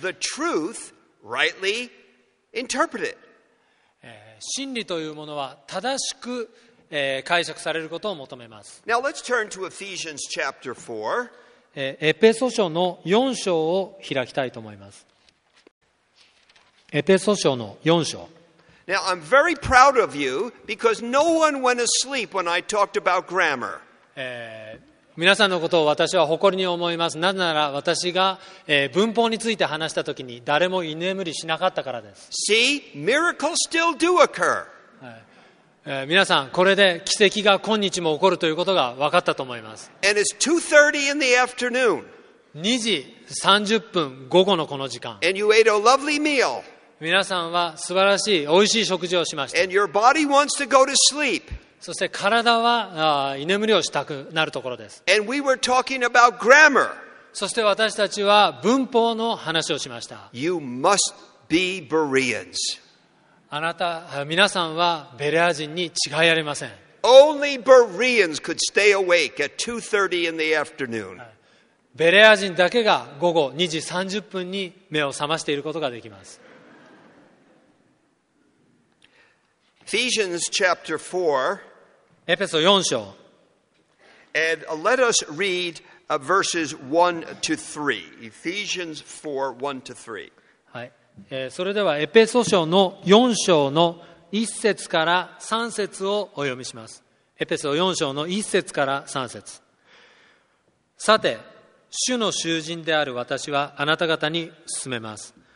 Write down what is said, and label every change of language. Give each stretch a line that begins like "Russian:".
English: The truth rightlyinterpret it.
Japanese: 真理というものは正しく解釈されることを求めます。
English: Now let's turn to Ephesians chapter 4.
Japanese: エペソ書の4章を開きたいと思います。エペソ書の4章。
English: Now I'm very proud of you because no one went asleep when I talked about grammar.
Japanese: 皆さんのことを私は誇りに思います。なぜなら私が、文法について話したときに誰も居眠りしなかったからです。
English: See, miracles still do occur.
Japanese: 皆さん、これで奇跡が今日も起こるということが分かったと思います。
English: And it's 2:30 in the afternoon.
Japanese: 2時30分午後のこの時間。
English: And you ate a lovely meal.
Japanese: 皆さんは素晴らしい、美味しい食事をしました。
English: And your body wants to go to sleep.
Japanese: そして体は居眠りをしたくなるところです。
English: And we were talking about grammar.
Japanese: そして私たちは文法の話をしました。
English: You must be Bereans.
Japanese: あなた、皆さんはベレア人に違いありません。
English: Only Bereans could stay awake at 2:30 in the afternoon.
Japanese: ベレア人だけが午後2時30分に目を覚ましていることができます。
English: Ephesians chapter 4,
Japanese: エペソ4章
English: and let us read verses 1 to 3. Ephesians 4, 1 to 3.
Japanese: はい、それではエペソ書の4章の1節から3節をお読みします。エペソ4章の1節から3節。さて、主の囚人である私はあなた方に勧めます。